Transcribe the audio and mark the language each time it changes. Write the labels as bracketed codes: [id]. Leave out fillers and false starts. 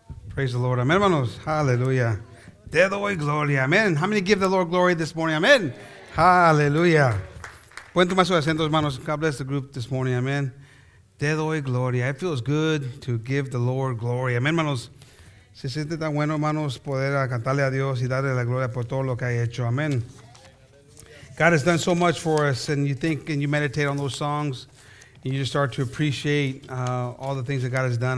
[en] Praise the Lord. Amen, hermanos. Hallelujah. [es] Te doy gloria. [en] Amen. How many give the Lord glory this morning? [es] Amen. Hallelujah. Pueden tomar sus asientos, hermanos. [en] God bless the group this morning. Amen. [es] Te doy gloria. [en] It feels good to give the Lord glory. [es] Amen, hermanos. Se siente tan bueno, hermanos, poder cantarle a Dios y darle la gloria por todo lo que ha hecho. Amen. [en] God has done so much for us, and you think and you meditate on those songs, and you just start to appreciate all the things that God has done.